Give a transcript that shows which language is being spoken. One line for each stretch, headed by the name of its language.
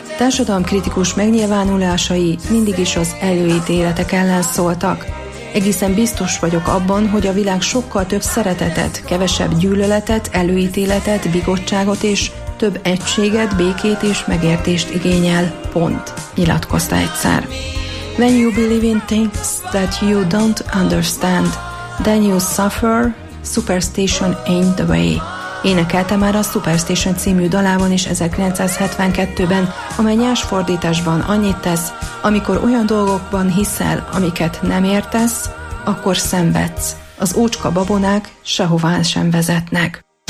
Hungarian: Társadalomkritikus megnyilvánulásai mindig is az előítéletek ellen szóltak. Egészen biztos vagyok abban, hogy a világ sokkal több szeretetet, kevesebb gyűlöletet, előítéletet, bigottságot és több egységet, békét és megértést igényel. Pont. Nyilatkozta egyszer.
English: When you believe in things that you don't understand, then you suffer. Superstition Ain't The Way.
Hungarian: Énekelte már a Superstition című dalában is 1972-ben, amely nyers fordításban annyit tesz, amikor olyan dolgokban hiszel, amiket nem értesz, akkor szenvedsz. Az ócska babonák sehová sem vezetnek.